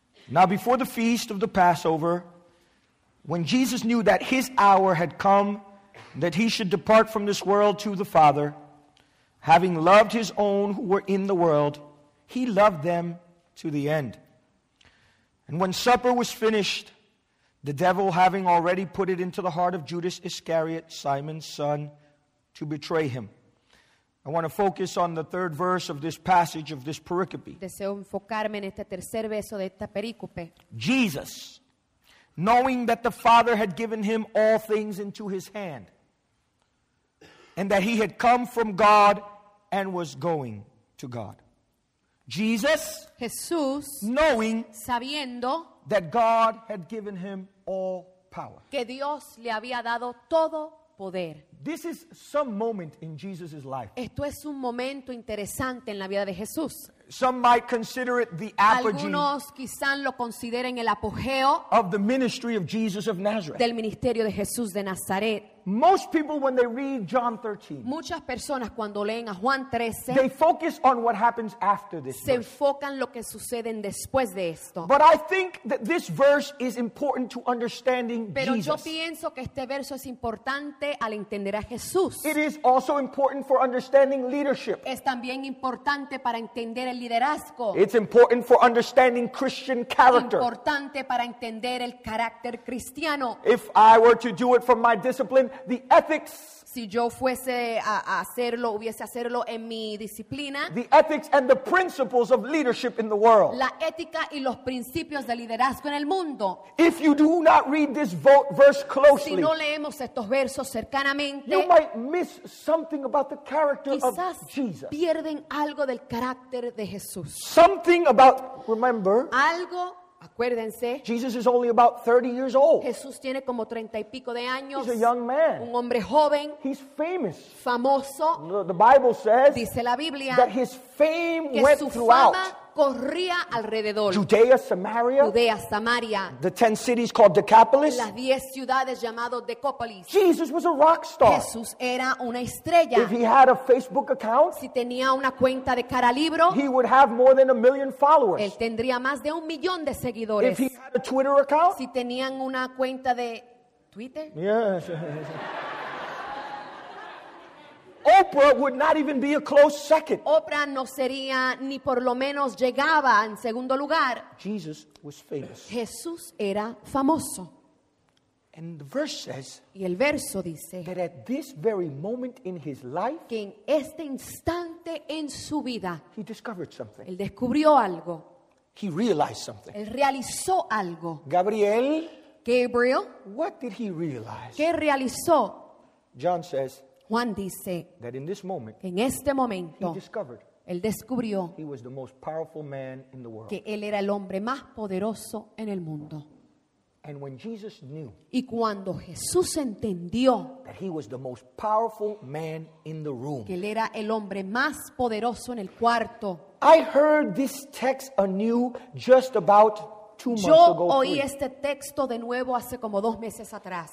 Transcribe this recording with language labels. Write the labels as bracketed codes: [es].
[en] Now before the feast of the Passover, when Jesus knew that his hour had come, that he should depart from this world to the Father, having loved his own who were in the world, he loved them to the end. And when supper was finished, the devil, having already put it into the heart of Judas Iscariot, Simon's son, to betray him. I want to focus on the third verse of this passage of this pericope. [es] Deseo enfocarme en este tercer verso de esta pericope. [en] Jesus, knowing that the Father had given him all things into his hand, and that he had come from God and was going to God. Jesus, [es] Jesús, [en] knowing [es] sabiendo [en] that God had given him all power. [es] Que Dios le había dado todo poder. [en] This is some moment in Jesus' life. [es] Esto es un momento interesante en la vida de Jesús. [en] Some might consider it the apogee. [es] Algunos quizás lo consideren el apogeo [en] of the ministry of Jesus of Nazareth. [es] Del ministerio de Jesús de Nazaret. [en] Most people, when they read John 13, [es] muchas personas cuando leen a Juan 13, [en] they focus on what happens after this. [es] Se enfocan lo que sucede después de esto. [en] But I think that this verse is important to understanding [es] pero [en] Jesus. [es] Pero yo pienso que este verso es importante al entender a Jesús. [en] It is also important for understanding leadership. [es] Es también importante para entender el liderazgo. [en] It's important for understanding Christian character. [es] Importante para entender el carácter cristiano. [en] If I were to do it from my discipline. The ethics. [es] Si yo fuese a hacerlo, hubiese hacerlo en mi disciplina. [en] The ethics and the principles of leadership in the world. [es] La ética y los principios de liderazgo en el mundo. [en] If you do not read this verse closely, [es] si no leemos estos versos cercanamente, [en] you might miss something about the character of Jesus. [es] Quizás pierden algo del carácter de Jesús. [en] Something about, remember. [es] Algo. Acuérdense, [en] Jesus is only about 30 years old. [es] Jesús tiene como 30 y pico de años. [en] He's a young man. [es] Un hombre joven. [en] He's famous. [es] Famoso. [en] The Bible says, [es] dice la Biblia, [en] that his fame [es] que [en] went [es] su [en] throughout. [es] Fama corría alrededor. [en] Judea, Samaria. [es] Judea, Samaria. [en] The 10 cities called Decapolis. [es] Las 10 ciudades llamadas Decapolis. [en] Jesus was a rock star. [es] Jesús era una estrella. [en] If he had a Facebook account, [es] si tenía una cuenta de cara libro, [en] he would have more than a million followers. [es] Él tendría más de un millón de seguidores. [en] If he had a Twitter account, [es] si tenían una cuenta de Twitter. [en] Yes. Oprah would not even be a close second. [es] Oprah no sería ni por lo menos llegaba en segundo lugar. [en] Jesus was famous. [es] Jesús era famoso. [en] And the verse says, [es] y el verso dice, [en] that at this very moment in his life, [es] que en este instante en su vida, [en] he discovered something. [es] Él descubrió algo. [en] He realized something. [es] Él realizó algo. [en] Gabriel. [es] Gabriel. [en] What did he realize? [es] ¿Qué realizó? [en] John says, [es] Juan dice, [en] that in this moment, [es] en este momento, [en] he discovered, [es] él descubrió, [en] he was the most powerful man in the world, [es] que él era el hombre más poderoso en el mundo. [en] And when Jesus knew, [es] y cuando Jesús entendió, [en] that he was the most powerful man in the room, [es] que él era el hombre más poderoso en el cuarto, [en] I heard this text anew just about 2 months [es] yo [en] ago. [es] Yo oí este texto de nuevo hace como 2 meses atrás.